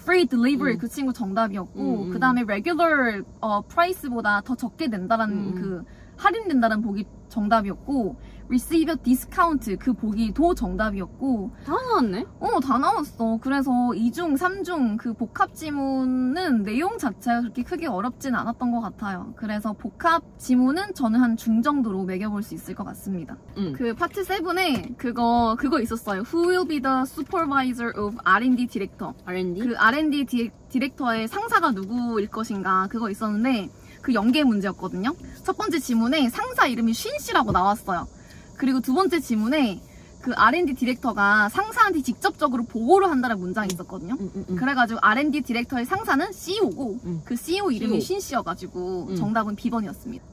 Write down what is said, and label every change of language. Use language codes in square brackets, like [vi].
[en] Free delivery [ko] 그 친구 정답이었고 그 다음에 regular price보다 더 적게 된다라는 그 할인된다는 보기 정답이었고 [en] receive a discount [ko] 그 보기도 정답이었고 다 나왔네? 어, 다 나왔어. 그래서 2중, 3중 그 복합 지문은 내용 자체가 그렇게 크게 어렵진 않았던 것 같아요. 그래서 복합 지문은 저는 한 중 정도로 매겨볼 수 있을 것 같습니다. 그 파트 7에 그거 있었어요. [en] Who will be the supervisor of R&D director? [ko] R&D? 그 R&D 디렉터의 상사가 누구일 것인가 그거 있었는데 그 연계 문제였거든요. 첫 번째 지문에 상사 이름이 쉰씨라고 나왔어요. 그리고 두 번째 지문에 그 R&D 디렉터가 상사한테 직접적으로 보고를 한다는 문장이 있었거든요. 그래가지고 R&D 디렉터의 상사는 CEO고 그 CEO 이름이 쉰씨여가지고 정답은 B번이었습니다.